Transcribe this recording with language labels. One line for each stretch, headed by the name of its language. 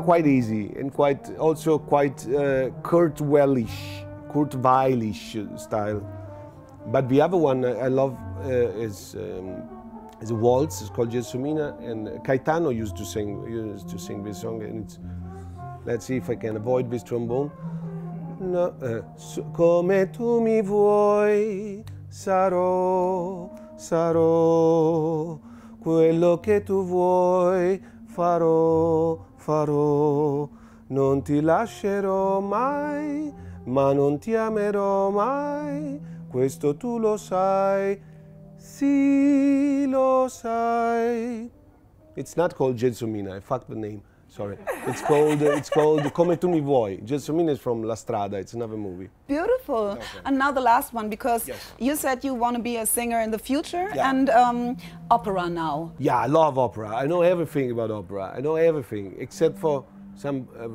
English: Quite easy and quite Kurt Wellish. Kurt Weilisch style. But the other one I love is a waltz. It's called Gelsomina, and Caetano used to sing this song, and it's, let's see if I can avoid this trombone.
Italian: No, come tu mi vuoi, sarò, sarò, quello che tu vuoi, farò, farò, non ti lascerò mai, ma non ti amerò mai, questo tu lo sai, sì, lo sai.
English: It's not called Gelsomina, I fucked the name, sorry. It's called Come Tu Mi Vuoi. Gelsomina is from La Strada, it's another movie. Beautiful. Okay. And now the last one, because yes, you said you want to be a singer in the future, yeah. And opera now. Yeah, I love opera. I know everything about opera. I know everything, except for some...